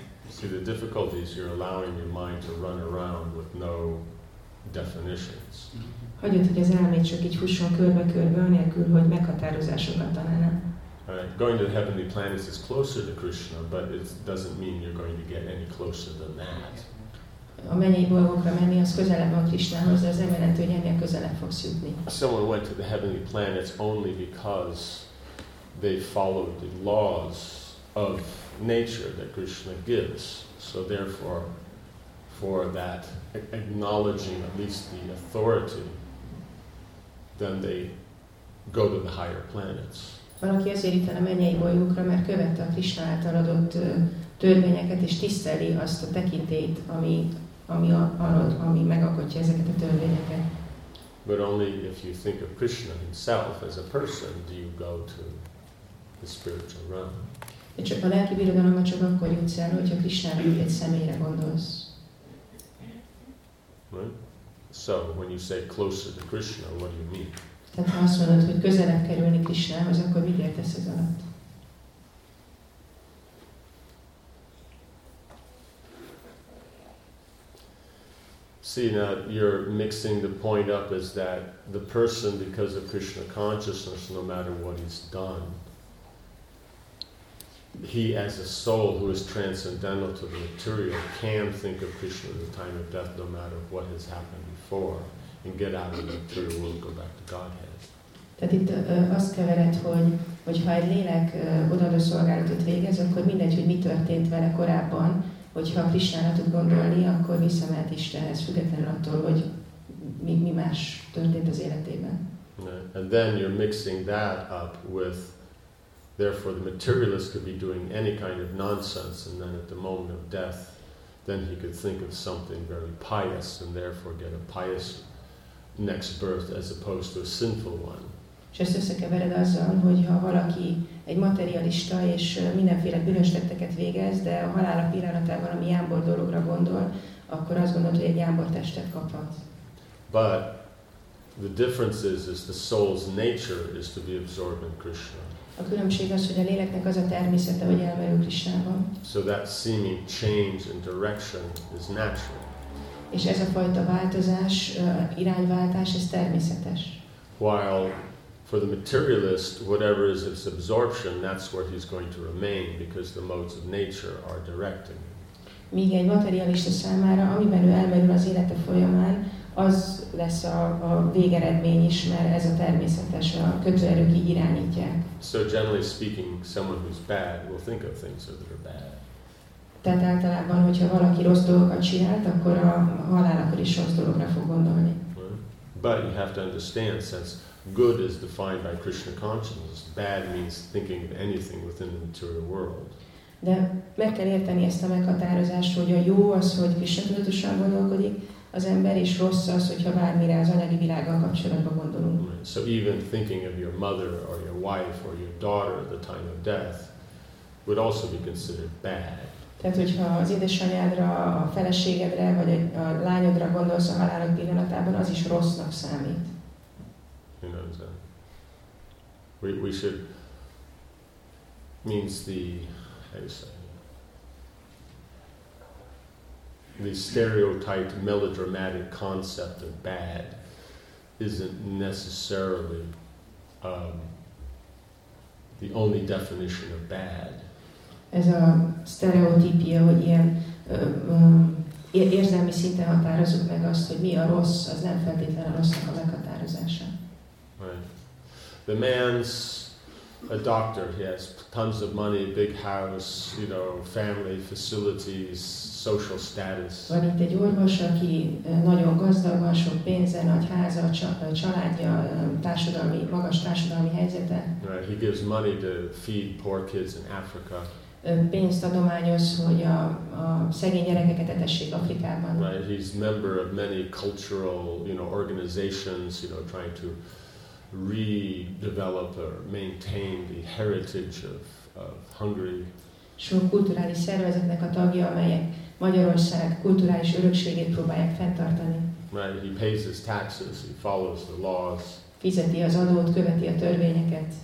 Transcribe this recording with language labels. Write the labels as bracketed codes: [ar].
[en] See, the difficulty is you're allowing your mind to run around with no definitions. [hu] Hagyod, hogy az elmét csak így fusson körbe-körbe, anélkül, hogy meghatározásokat találna. [en] Right. Going to the heavenly planets is closer to Krishna, but it doesn't mean you're going to get any closer than that. [hu] A mennyei bolygókra menni, az közelebb van Krishnához, de az nem jelenti, hogy ennél közelebb fogsz jutni. [en] Someone went to the heavenly planets only because they followed the laws of nature that Krishna gives. So therefore, for that acknowledging at least the authority, then they go to the higher planets. [hu] Valaki azért itt van a mennyei bolygókra, mert követte a Krishna által adott törvényeket, és tiszteli azt a tekintélyt, ami megalkotja ezeket a törvényeket. [en] But only if you think of Krishna himself as a person do you go to the spiritual realm. [hu] De csak a lelki birodalomba csak akkor jutsz el, hogyha Krishnára egy személyre gondolsz. [en] Right? So, when you say closer to Krishna, what do you mean? [hu] Tehát ha azt mondod, hogy közelebb kerülni Krishnához, akkor mit értesz ez alatt? [en] See, now you're mixing the point up is that the person, because of Krishna consciousness, no matter what he's done, he as a soul who is transcendental to the material can think of Krishna at the time of death, no matter what has happened before, and get out of the material world and go back to Godhead. [hu] Tehát itt azt kevered, hogy ha egy lélek odaadó szolgálatot végez, akkor mindegy, hogy mi történt vele korábban, hogyha a Krisnára tud gondolni, akkor visszamehet Istenhez, függetlenül attól, hogy mi más történt az életében. [en] And then you're mixing that up with, therefore the materialist could be doing any kind of nonsense, and then at the moment of death, then he could think of something very pious, and therefore get a pious next birth, as opposed to a sinful one. [hu] És ezt összekevered azzal, hogy ha valaki egy materialista és mindenféle bűnös tetteket végez, de a halála pillanatában valami jámbor dologra gondol, akkor azt gondolod, hogy egy jámbor testet kaphat. [en] But the difference is the soul's nature is to be absorbed in Krishna. [hu] A különbség az, hogy a léleknek az a természete, hogy elmerül Krishnában. [en] So that seeming change in direction is natural. [hu] És ez a fajta változás, irányváltás, ez természetes. [en] While for the materialist, whatever is its absorption, that's where he's going to remain, because the modes of nature are directing him. [hu] Míg egy materialista számára, amiben ő elmerül az élete folyamán, az lesz a végeredmény is, mert ez a természetes, a kötőerők így irányítják. [en] So generally speaking, someone who's bad will think of things that are bad. [hu] Tehát általában, hogyha valaki rossz dolgokat csinált, akkor a halálakor is rossz dologra fog gondolni. [en] But you have to understand, since good is defined by Krishna consciousness, bad means thinking of anything within the material world. [hu] De meg kell érteni ezt a meghatározást, hogy a jó az, hogy Krishna tudatosan gondolkodik az ember, és rossz az, hogyha bármire az anyagi világgal kapcsolatban gondolunk. [en] So even thinking of your mother or your wife or your daughter at the time of death would also be considered bad. [hu] Tehát, hogyha az édesanyádra, a feleségedre, vagy a lányodra gondolsz a halálod pillanatában, az is rossznak számít. [en] You know, so we should, means the, how do you say, the stereotyped melodramatic concept of bad isn't necessarily the only definition of bad. [hu] Ez a sztereotípia, hogy ilyen érzelmi szinten határozunk meg azt, hogy mi a rossz, az nem feltétlenül a rossznak a meghatározása. [en] Right. The man's a doctor, he has tons of money, big house, you know, family facilities, social status. [hu] Van itt egy orvos, aki nagyon gazdag, van sok pénze, nagy háza, családja, társadalmi, magas társadalmi helyzete. [en] Right. He gives money to feed poor kids in Africa. [hu] Pénzt adományoz, hogy a szegény gyerekeket etessék Afrikában. [en] Right, he's member of many cultural, you know, organizations, you know, trying to redevelop or maintain the heritage of Hungary. [hu] Sok kulturális szervezetnek a tagja, amelyek Magyarország kulturális örökségét próbálják fenntartani. [en] Right, he pays his taxes, he follows the laws. [hu] Fizeti az adót, követi a törvényeket.